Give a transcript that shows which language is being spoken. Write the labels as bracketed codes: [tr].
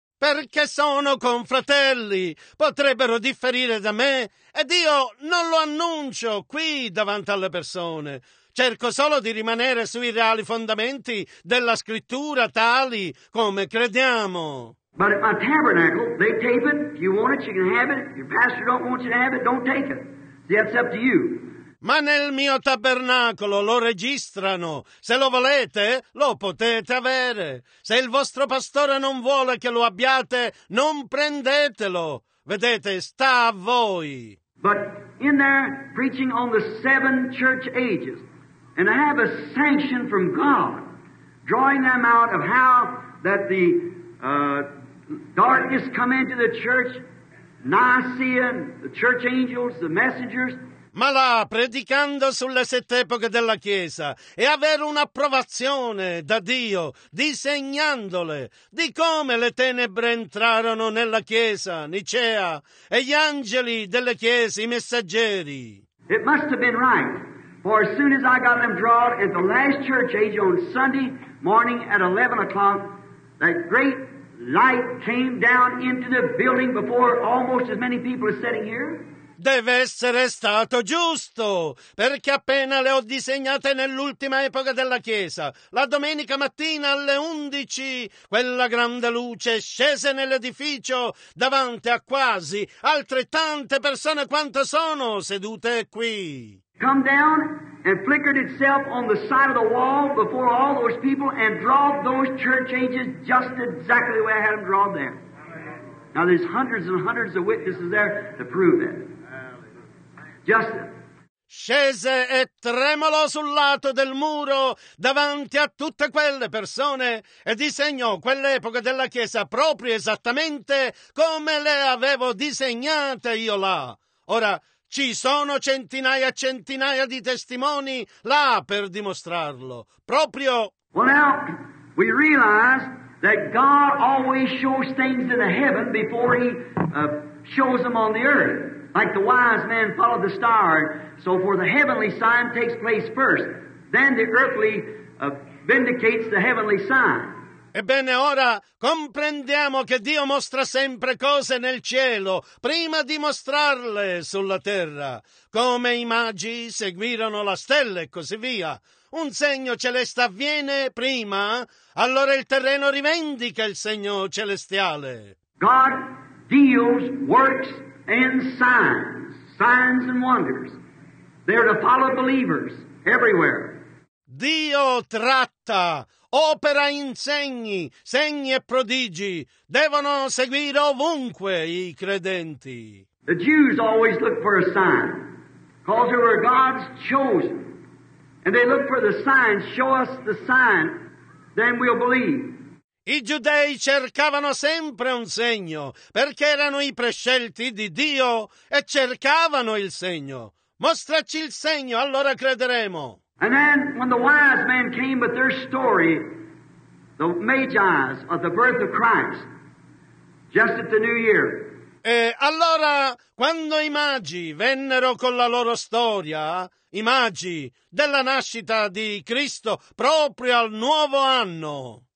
[it] Perché sono con fratelli, potrebbero differire da me, ed io non lo annuncio qui davanti alle persone. Cerco solo di rimanere sui reali fondamenti della scrittura tali come crediamo. [en] But at my tabernacle, they tape it. If you want it, you can have it. If your pastor don't want you to have it, don't take it. See, that's up to you. [it] Ma nel mio tabernacolo lo registrano. Se lo volete, lo potete avere. Se il vostro pastore non vuole che lo abbiate, non prendetelo. Vedete, sta a voi. [en] But in there, preaching on the seven church ages, and I have a sanction from God, drawing them out of how that the darkness come into the church, Nicaea, the church angels, the messengers. [it] Ma là, predicando sulle sette epoche della Chiesa, e avere un'approvazione da Dio, disegnandole, di come le tenebre entrarono nella Chiesa, Nicea, e gli angeli delle Chiese, i messaggeri. [en] It must have been right, for as soon as I got them drawn at the last church age on Sunday morning at 11 o'clock, that great light came down into the building before almost as many people are sitting here. [it] Deve essere stato giusto, perché appena le ho disegnate nell'ultima epoca della Chiesa, la domenica mattina alle 11, quella grande luce scese nell'edificio davanti a quasi altrettante persone quanto sono sedute qui. [en] Come down and flickered itself on the side of the wall before all those people and draw those church ages just exactly the way I had them drawn there. Now there's hundreds and hundreds of witnesses there to prove it. [it] Scese e tremolò sul lato del muro davanti a tutte quelle persone e disegnò quell'epoca della Chiesa proprio esattamente come le avevo disegnate io là. Ora ci sono centinaia e centinaia di testimoni là per dimostrarlo. Proprio. [en] Well, now we realize that God always shows things in the heaven before He shows them on the earth. Like the wise man followed the star, so for the heavenly sign takes place first, then the earthly vindicates the heavenly sign. [it] Ebbene, ora comprendiamo che Dio mostra sempre cose nel cielo prima di mostrarle sulla terra, come i magi seguirono la stella e così via. Un segno celeste avviene prima, allora il terreno rivendica il segno celestiale. [en] God deals, works, and signs and wonders. They are to follow believers everywhere. [it] Dio tratta, opera in segni, segni e prodigi. Devono seguire ovunque i credenti. [en] The Jews always look for a sign, because they were God's chosen. And they look for the sign, show us the sign, then we'll believe. [it] I giudei cercavano sempre un segno, perché erano i prescelti di Dio e cercavano il segno. Mostraci il segno, allora crederemo. [en] And then when the wise men came with their story, the magi's of the birth of Christ, just at the new year. [it] E allora, quando i magi vennero con la loro storia, i magi della nascita di Cristo proprio al nuovo anno.